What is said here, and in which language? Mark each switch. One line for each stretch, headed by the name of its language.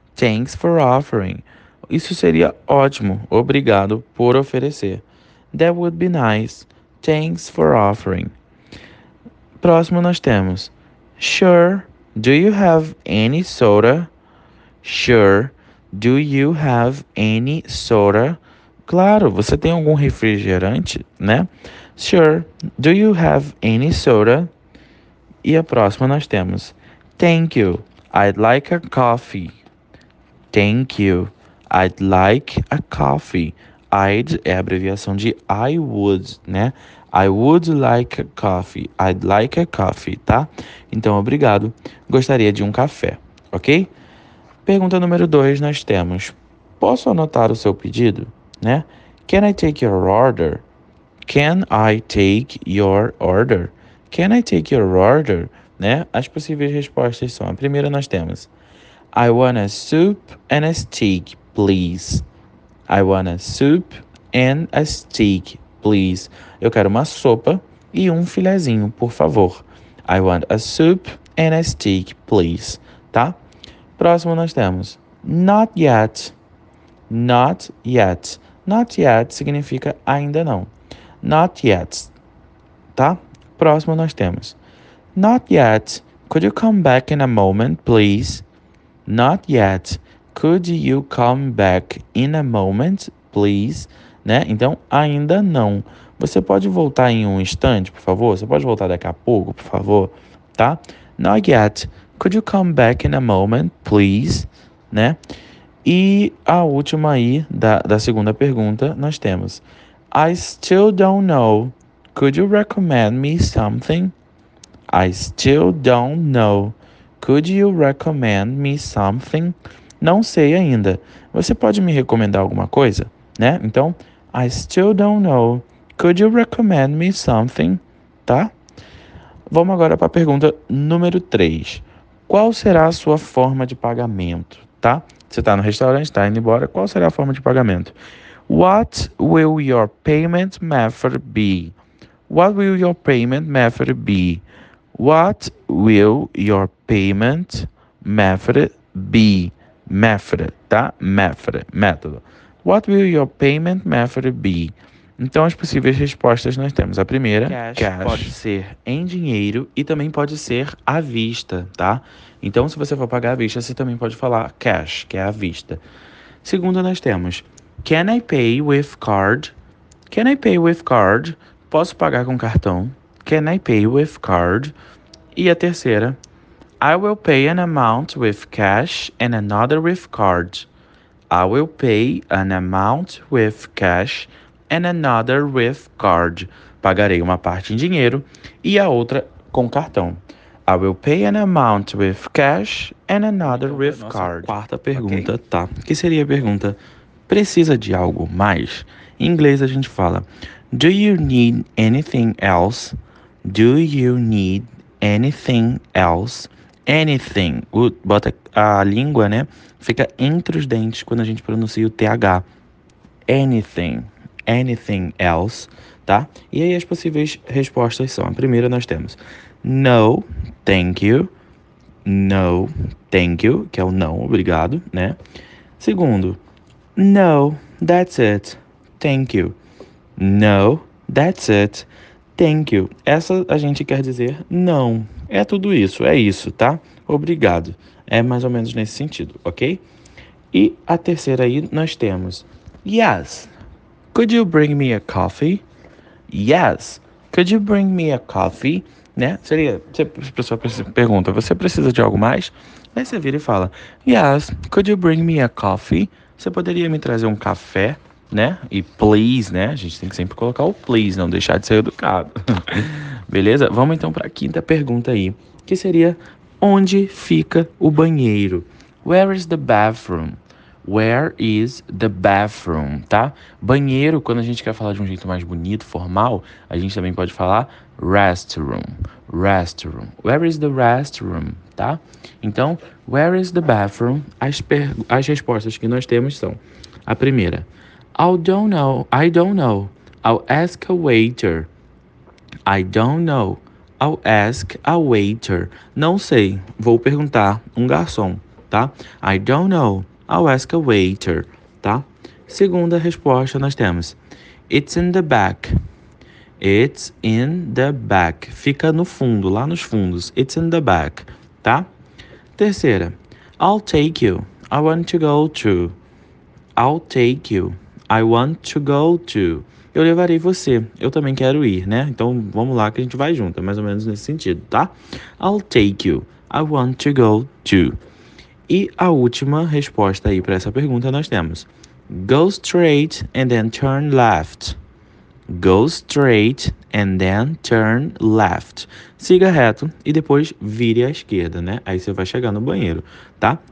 English: Thanks for offering.
Portuguese: Isso seria ótimo. Obrigado por oferecer.
English: That would be nice. Thanks for offering.
Portuguese: Próximo nós temos.
English: Sure, do you have any soda? Sure. Do you have any soda?
Portuguese: Claro, você tem algum refrigerante, né?
English: Sure, do you have any soda?
Portuguese: E a próxima nós temos.
English: Thank you, I'd like a coffee. Thank you, I'd like a coffee.
Portuguese: I'd é a abreviação de
English: I would,
Portuguese: né?
English: I would like a coffee. I'd like a coffee,
Portuguese: tá? Então, obrigado. Gostaria de um café, ok? Pergunta número 2, nós temos, posso anotar o seu pedido, né?
English: Can I take your order? Can I take your order? Can I take your order?
Portuguese: Né? As possíveis respostas são, a primeira nós temos,
English: I want a soup and a steak, please. I want a soup and a steak, please.
Portuguese: Eu quero uma sopa e um filezinho, por favor.
English: I want a soup and a steak, please,
Portuguese: tá? Próximo nós temos,
English: not yet, not yet, not yet
Portuguese: significa ainda não,
English: not yet,
Portuguese: tá? Próximo nós temos,
English: not yet, could you come back in a moment, please? Not yet, could you come back in a moment, please?
Portuguese: Né? Então, ainda não, você pode voltar em um instante, por favor? Você pode voltar daqui a pouco, por favor, tá?
English: Not yet. Could you come back in a moment, please?
Portuguese: Né? E a última aí, da segunda pergunta, nós temos.
English: I still don't know. Could you recommend me something? I still don't know. Could you recommend me something?
Portuguese: Não sei ainda. Você pode me recomendar alguma coisa? Né? Então,
English: I still don't know. Could you recommend me something?
Portuguese: Tá? Vamos agora para a pergunta número 3. Qual será a sua forma de pagamento, tá? Você tá no restaurante, tá indo embora, qual será a forma de pagamento?
English: What will your payment method be? What will your payment method be? What will your payment method be?
Portuguese: method, tá? Method, método.
English: What will your payment method be?
Portuguese: Então, as possíveis respostas nós temos a primeira,
English: cash.
Portuguese: Pode ser em dinheiro e também pode ser à vista, tá? Então, se você for pagar à vista, você também pode falar cash, que é à vista. Segundo, nós temos,
English: can I pay with card? Can I pay with card?
Portuguese: Posso pagar com cartão?
English: Can I pay with card?
Portuguese: E a terceira,
English: I will pay an amount with cash and another with card. I will pay an amount with cash and another with card.
Portuguese: Pagarei uma parte em dinheiro e a outra com cartão.
English: I will pay an amount with cash and another with card.
Portuguese: Quarta pergunta, okay. Tá? Que seria a pergunta, precisa de algo mais? Em inglês a gente fala,
English: do you need anything else? Do you need anything else? Anything.
Portuguese: Bota a língua, né? Fica entre os dentes quando a gente pronuncia o TH.
English: Anything. Anything else,
Portuguese: tá? E aí as possíveis respostas são, a primeira nós temos,
English: no, thank you, no, thank you,
Portuguese: que é o não, obrigado, né? Segundo,
English: no, that's it, thank you, no, that's it, thank you.
Portuguese: Essa a gente quer dizer não, é tudo isso, é isso, tá? Obrigado, é mais ou menos nesse sentido, ok? E a terceira aí nós temos,
English: yes, could you bring me a coffee? Yes. Could you bring me a coffee?
Portuguese: Né? Seria, se a pessoa pergunta, você precisa de algo mais? Aí você vira e fala,
English: yes, could you bring me a coffee?
Portuguese: Você poderia me trazer um café, né? E please, né? A gente tem que sempre colocar o please, não deixar de ser educado. Beleza? Vamos então para a quinta pergunta aí, que seria, onde fica o banheiro?
English: Where is the bathroom? Where is the bathroom,
Portuguese: tá? Banheiro, quando a gente quer falar de um jeito mais bonito, formal, a gente também pode falar restroom, restroom.
English: Where is the restroom,
Portuguese: tá? Então,
English: where is the bathroom?
Portuguese: As respostas que nós temos são, a primeira,
English: I don't know, I'll ask a waiter. I don't know, I'll ask a waiter.
Portuguese: Não sei, vou perguntar um garçom, tá?
English: I don't know. I'll ask a waiter,
Portuguese: tá? Segunda resposta nós temos,
English: it's in the back. It's in the back.
Portuguese: Fica no fundo, lá nos fundos.
English: It's in the back,
Portuguese: tá? Terceira,
English: I'll take you. I want to go to. I'll take you. I want to go to.
Portuguese: Eu levarei você. Eu também quero ir, né? Então vamos lá que a gente vai junto. É mais ou menos nesse sentido, tá?
English: I'll take you. I want to go to.
Portuguese: E a última resposta aí para essa pergunta nós temos,
English: go straight and then turn left. Go straight and then turn left.
Portuguese: Siga reto e depois vire à esquerda, né? Aí você vai chegar no banheiro, tá?